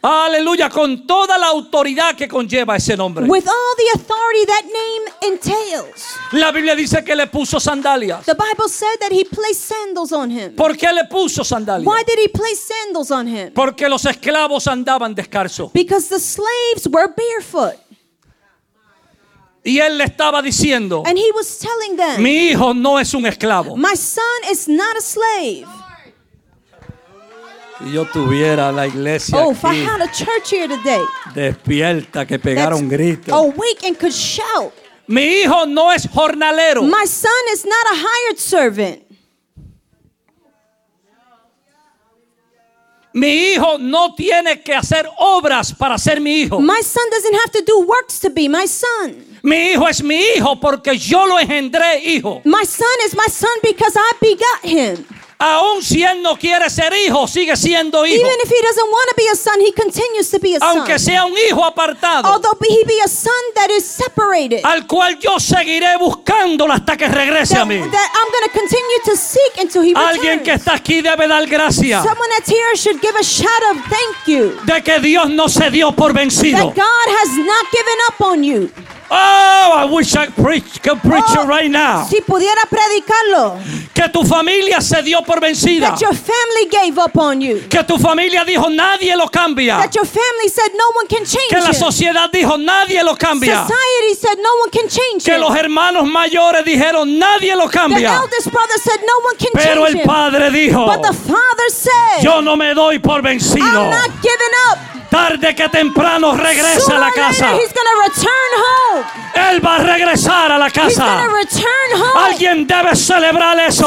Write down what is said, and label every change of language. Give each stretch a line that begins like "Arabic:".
Spanish: Aleluya, con toda la autoridad que conlleva ese nombre,
English: with all the authority that name entails.
Spanish: La Biblia dice que le puso sandalias.
English: The Bible said that he placed sandals on him.
Spanish: ¿Por qué le puso sandalias?
English: Why did he place sandals on him?
Spanish: Porque los esclavos andaban descalzos.
English: Because the slaves were barefoot.
Spanish: Y él le estaba diciendo,
English: and he was telling them,
Spanish: mi hijo no es un esclavo.
English: My son is not a slave.
Spanish: Si yo tuviera la iglesia aquí,
English: if I had a church here today,
Spanish: despierta, que pegara un grito,
English: awake and could shout.
Spanish: Mi hijo no es jornalero.
English: My son is not a hired servant.
Spanish: Mi hijo no tiene que hacer obras para ser mi hijo.
English: My son doesn't have to do works to be my son.
Spanish: Mi hijo es mi hijo porque yo lo engendré hijo.
English: My son is my son because I begot him.
Spanish: Aún si él no quiere ser hijo, sigue siendo hijo.
English: Even if he doesn't want to be a son, he continues to be a
Spanish: aunque Aunque sea un hijo apartado.
English: Although he be a son that is separated.
Spanish: Al cual yo seguiré buscándolo hasta que regrese
English: that,
Spanish: a mí.
English: That I'm going to continue to seek until he returns.
Spanish: Alguien que está aquí debe dar gracias.
English: Someone that's here should give a shout of thank you.
Spanish: De que Dios no se dio por vencido.
English: That God has not given up on you. Oh, I wish I could preach it right now.
Spanish: Si pudiera predicarlo. Que tu familia se dio por vencida.
English: That your family gave up on you.
Spanish: Que tu familia dijo nadie lo cambia.
English: That your family said no one can change it.
Spanish: Que la sociedad dijo nadie lo cambia.
English: Society said no one can change it.
Spanish: Que los hermanos mayores dijeron nadie lo cambia.
English: The eldest brother said no one can change it.
Spanish: Pero el padre dijo.
English: But the father said.
Spanish: Yo no me doy por vencido.
English: I'm not giving up.
Spanish: Tarde que temprano regresa a la casa.
English: He's gonna return home.
Spanish: Él va a regresar a la casa.
English: He's gonna return home.
Spanish: Alguien debe celebrar eso.